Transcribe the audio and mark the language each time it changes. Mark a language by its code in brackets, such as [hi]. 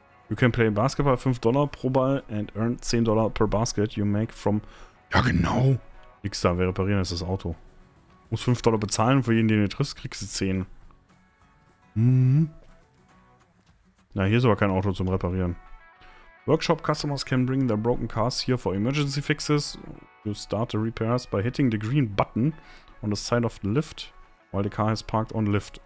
[en] You can play basketball $5 [de] pro Ball [en] and earn $10 per basket you make from... [de] Ja, genau. Nix da, wir reparieren jetzt das Auto. Muss $5 bezahlen, für jeden, den du triffst, kriegst du 10. Mhm. Na, hier ist aber kein Auto zum Reparieren. [en] Workshop customers can bring their broken cars here for emergency fixes. You start the repairs by hitting the green button on the side of the lift, while the car is parked on lift.